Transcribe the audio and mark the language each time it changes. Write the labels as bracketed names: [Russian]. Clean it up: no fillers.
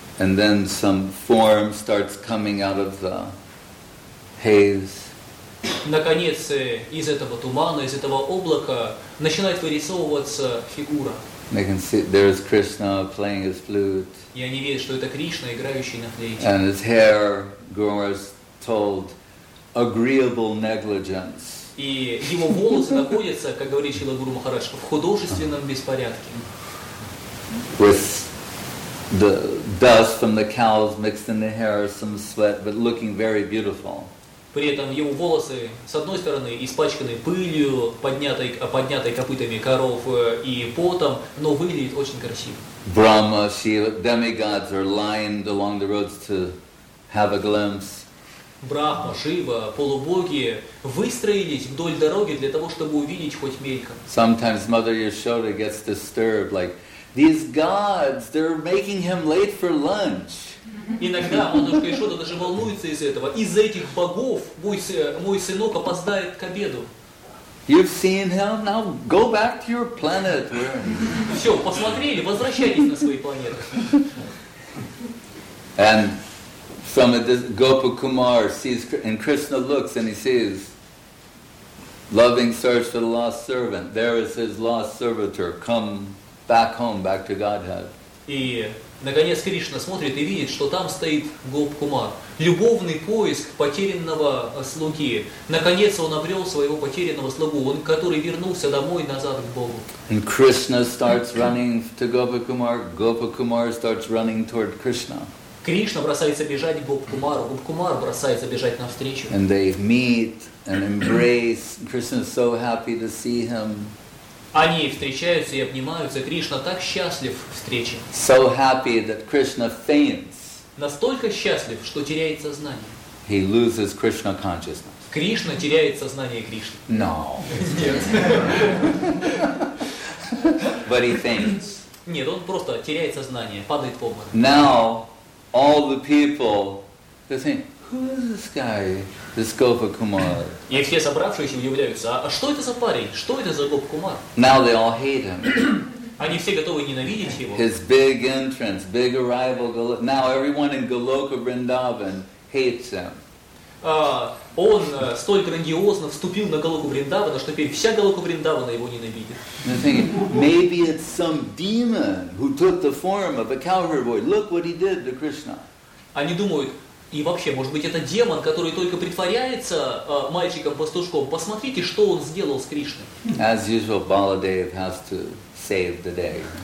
[English] And then some form starts coming out of the haze. [Russian] Наконец, из этого тумана, из этого облака начинает вырисовываться фигура. [English] They can see there is Krishna playing his flute. [Russian] И они видят, что это Кришна, играющий на флейте. [English] And his hair grows told agreeable negligence. [Russian] И его волосы находятся, как говорит Шрила Гуру Махарадж, в художественном беспорядке. [English] With the dust from the cows mixed in the hair, some sweat, but looking very beautiful. [Russian] При этом его волосы, с одной стороны, испачканы пылью, поднятой копытами коров и потом, но выглядит очень красиво. [English] Brahma, Shiva, demigods are lined along the roads to have a glimpse. [Russian] Брахма, Шива, полубоги выстроились вдоль дороги для того, чтобы увидеть хоть мельком. [English] Sometimes Mother Yashoda gets disturbed, like, these gods, they're making him late for lunch. [Russian] Иногда Матушка Яшода даже волнуется из-за этого. Из-за этих богов мой сынок опоздает к обеду. [English] You've seen him, now go back to your planet. [Russian] Все, посмотрели, возвращайтесь на свои планеты. [English] And from a Gopa Kumar sees, and Krishna looks and he sees loving search for the lost servant. There is his lost servitor. Come back home, back to Godhead. [Russian] И наконец Кришна смотрит и видит, что там стоит Гопа Кумар. Любовный поиск потерянного слуги. Наконец он обрел своего потерянного слугу, он который вернулся домой назад к Богу. [English] And Krishna starts running to Gopa Kumar. Gopa Kumar starts running toward Krishna. [Russian] Кришна бросается бежать к Гоп-Кумару, Гоп-Кумар бросается бежать навстречу. [English] And they meet and embrace. Krishna is so happy to see him. [Russian] Они встречаются и обнимаются. Кришна так счастлив встрече. [English] So happy that Krishna faints. [Russian] Настолько счастлив, что теряет сознание. [English] He loses Krishna consciousness. [Russian] Кришна теряет сознание Кришны. [English] No. But he faints. [Russian] Нет, он просто теряет сознание, падает в обморок. [English] Now all the people, they think, who is this guy, this Gopa Kumar? [Russian] И все собравшиеся удивляются, а что это за парень, что это за Гопа Кумар? [English] Now they all hate him. [Russian] Они все готовы ненавидеть его. [English] His big entrance, big arrival, now everyone in Goloka Vrindavan hates him. [Russian] Он столь грандиозно вступил на Голоку Вриндавана, что теперь вся Голока Вриндавана его ненавидит. [English] Maybe it's some demon who took the form of a cowherd. Look what he did to Krishna. [Russian] Они думают, и вообще, может быть, это демон, который только притворяется мальчиком-пастушком. Посмотрите, что он сделал с Кришной. [English] As usual, Baladev has to save the day.